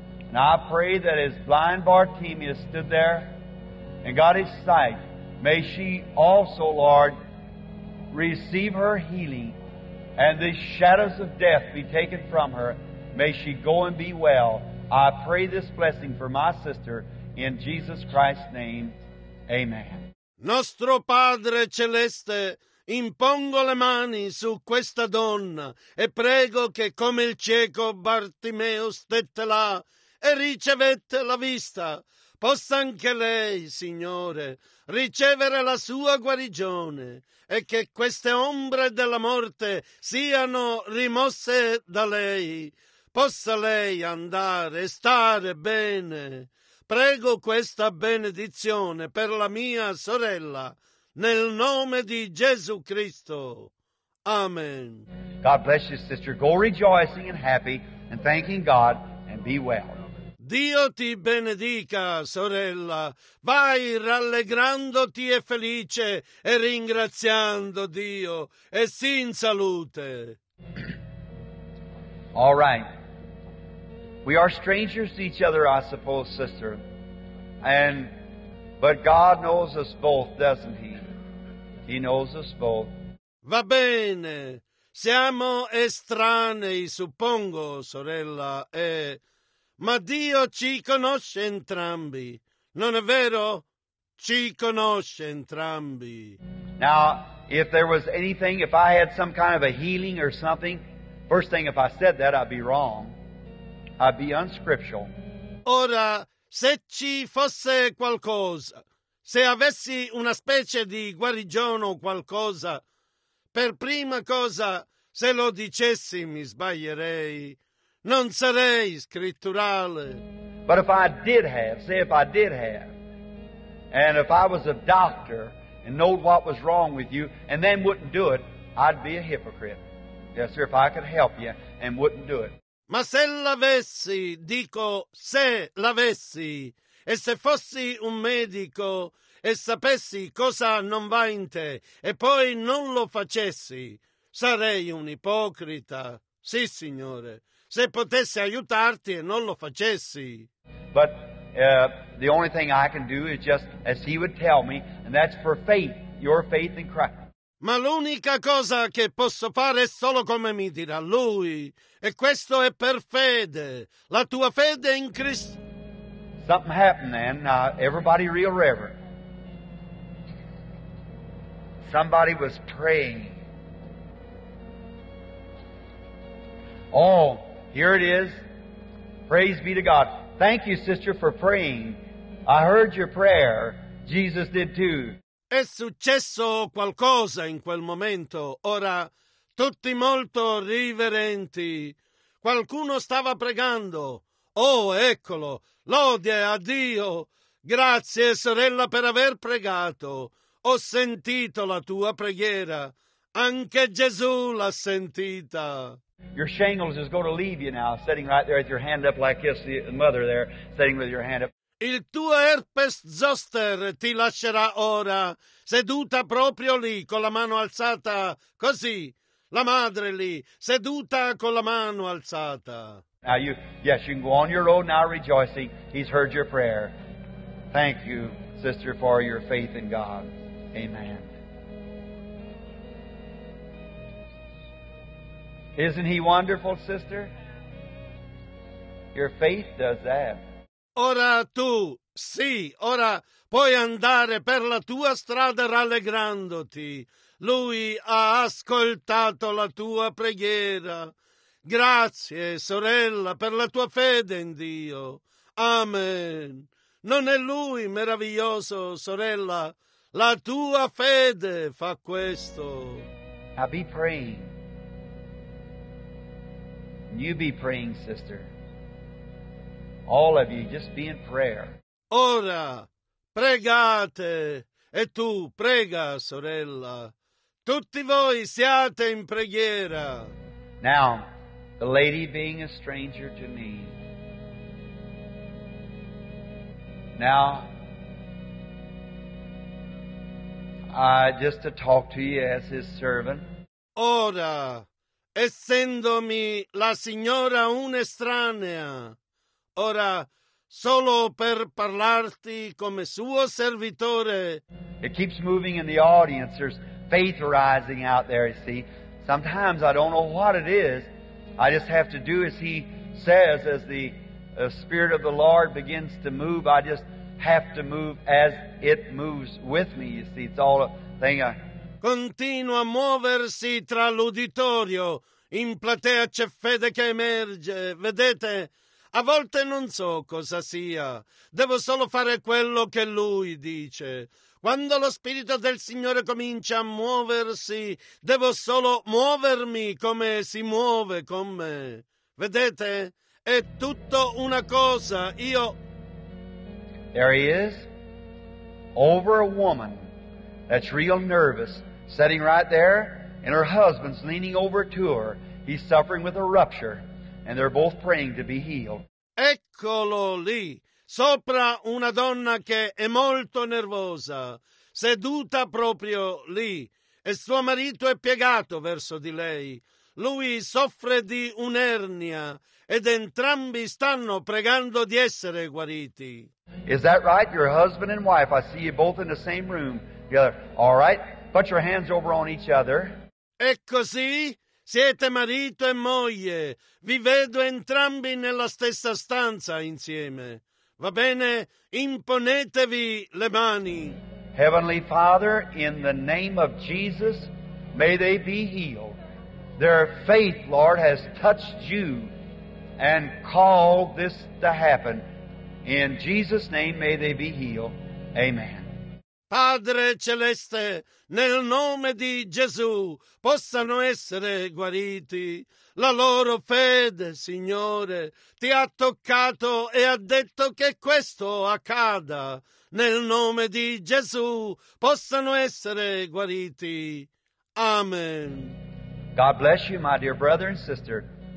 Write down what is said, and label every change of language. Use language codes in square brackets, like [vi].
[en] And I pray that as blind Bartimaeus stood there and got his sight, may she also, Lord, receive her healing and the shadows of death be taken from her. May she go and be well. I pray this blessing for my sister in Jesus Christ's name. Amen. [it] Nostro Padre Celeste, impongo le mani su questa donna e prego che come il cieco Bartimeo stette là e ricevette la vista, possa anche lei, Signore, ricevere la sua guarigione e che queste ombre della morte siano rimosse da lei. Possa lei andare e stare bene. Prego questa benedizione per la mia sorella, nel nome di Gesù Cristo. Amen. [en] God bless you, sister. Go rejoicing and happy and thanking God and be well. [it] Dio ti benedica, sorella. Vai rallegrandoti e felice e ringraziando Dio e sii in salute. [en] All right. We are strangers to each other, I suppose, sister. But God knows us both, doesn't He? He knows us both. [it] Va bene. Siamo estranei, suppongo, sorella. Ma Dio ci conosce entrambi. Non è vero? Ci conosce entrambi. [en] Now, if there was anything, if I had some kind of a healing or something, first thing, if I said that, I'd be wrong. I'd be unscriptural. [it] Ora, se ci fosse qualcosa, se avessi una specie di guarigione o qualcosa, per prima cosa, se lo dicessi, mi sbaglierei. Non sarei scritturale. [en] But if I did have, say if I did have, and if I was a doctor and knowed what was wrong with you and then wouldn't do it, I'd be a hypocrite. Yes, sir, if I could help you and wouldn't do it. [it] Ma se l'avessi, dico se l'avessi, e se fossi un medico e sapessi cosa non va in te e poi non lo facessi, sarei un ipocrita. Sì, signore, se potessi aiutarti e non lo facessi. [en] But the only thing I can do is just as he would tell me, and that's for faith, your faith in Christ. [it] Ma l'unica cosa che posso fare è solo come mi dirà lui. E questo è per fede. La tua fede in Cristo. [en] Something happened, man. Now, everybody real reverent. Somebody was praying. Oh, here it is. Praise be to God. Thank you, sister, for praying. I heard your prayer. Jesus did too. [it] È successo qualcosa in quel momento. Ora, tutti molto riverenti. Qualcuno stava pregando. Oh, eccolo. Lode a Dio. Grazie, sorella, per aver pregato. Ho sentito la tua preghiera. Anche Gesù l'ha sentita. [en] Your shingles is going to leave you now, sitting right there with your hand up like this, the mother there, sitting with your hand up. [it] Il tuo herpes zoster ti lascerà ora, seduta proprio lì, con la mano alzata, così. La madre lì, seduta con la mano alzata. [en] Now you, yes, you can go on your road now rejoicing. He's heard your prayer. Thank you, sister, for your faith in God. Amen. Isn't he wonderful, sister? Your faith does that. [it] Ora tu, Sì, ora puoi andare per la tua strada rallegrandoti. Lui ha ascoltato la tua preghiera. Grazie, sorella, per la tua fede in Dio. Amen. Non è Lui meraviglioso, sorella? La tua fede fa questo. [en] I'll be praying. You be praying, sister. All of you, just be in prayer. [it] Ora, pregate. E tu, prega, sorella. Tutti voi siate in preghiera. [en] Now, the lady being a stranger to me. Now, just to talk to you as his servant. [it] Ora, essendomi la signora un'estranea, ora, solo per parlarti come suo servitore. [en] It keeps moving in the audience. There's faith rising out there, you see. Sometimes I don't know what it is. I just have to do as he says, as the Spirit of the Lord begins to move. I just have to move as it moves with me, you see. It's all a thing. [it] Continua a muoversi tra l'uditorio. In platea c'è fede che emerge. Vedete? A volte non so cosa sia. Devo solo fare quello che Lui dice. Quando lo Spirito del Signore comincia a muoversi, devo solo muovermi come si muove con me. Vedete? È tutto una cosa. Io... [en] There he is. Over a woman that's real nervous, sitting right there, and her husband's leaning over to her. He's suffering with a rupture, and they're both praying to be healed. [it] Eccolo lì, sopra una donna che è molto nervosa, seduta proprio lì, e suo marito è piegato verso di lei. Lui soffre di un'ernia, ed entrambi stanno pregando di essere guariti. [en] Is that right? Your husband and wife, I see you both in the same room together. All right, put your hands over on each other. [it] È così? Siete marito e moglie. Vi vedo entrambi nella stessa stanza insieme. Va bene? Imponetevi le mani. [en] Heavenly Father, in the name of Jesus, may they be healed. Their faith, Lord, has touched you and called this to happen. In Jesus' name, may they be healed. Amen. [it] Padre Celeste, nel nome di Gesù, possano essere guariti. La loro fede, Signore, ti ha toccato e ha detto che questo accada. Nel nome di Gesù, possano essere guariti. Amen. [en] God bless you, my dear brother and sister.